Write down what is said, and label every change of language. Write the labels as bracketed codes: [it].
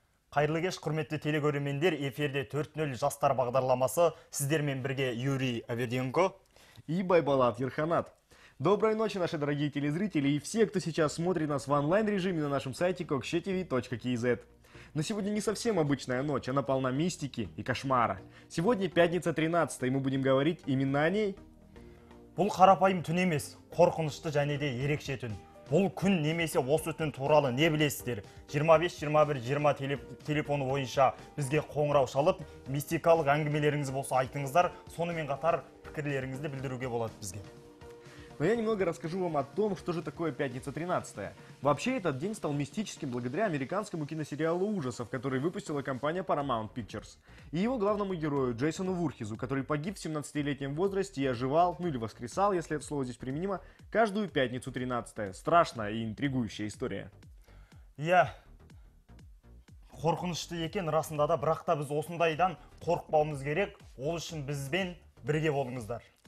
[kk] Қайырлы кеш, құрметті телекөрермендер, эфирде 4.0 жастар бағдарламасы. Сіздермен бірге Юрий Авердиенко. [ru] И Байбалат Ерханат. Доброй ночи, наши дорогие телезрители и все, кто сейчас смотрит нас в онлайн-режиме на нашем сайте kokshetv.kz. Но сегодня не совсем обычная ночь, она полна мистики и кошмара. Сегодня пятница 13, и мы будем говорить именно о ней. [kk] Бұл қарапайым түн емес, қорқынышты және де ерекше түн. Бұл күн немесе осы түн туралы не білесіздер? 25-21-20 телефоны бойынша бізге қоңырау шалып, мистикалық әңгімелеріңіз болса айтыңыздар, сонымен қатар пікірлеріңізді білдіруге болады бізге. [ru] Но я немного расскажу вам о том, что же такое пятница 13-е. Вообще, этот день стал мистическим благодаря американскому киносериалу ужасов, который выпустила компания Paramount Pictures. И его главному герою Джейсону Вурхизу, который погиб в 17-летнем возрасте и оживал, ну или воскресал, если это слово здесь применимо, каждую пятницу 13-е. Страшная и интригующая история. Я... [kk] Қорқынышты екен, расында да, бірақ та біз осындайдан қорқпауымыз керек, ол үшін бізбен бірге болыңыздар.